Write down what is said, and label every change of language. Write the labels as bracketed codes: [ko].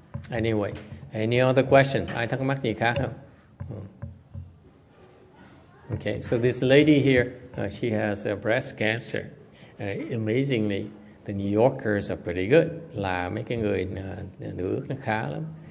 [en] Anyway, any other questions? [vi] Ai thắc mắc gì khác không? [en] Okay, so this lady here, she has a breast cancer. Amazingly, the New Yorkers are pretty good. [vi] Là mấy cái người nữ ước nó khá lắm.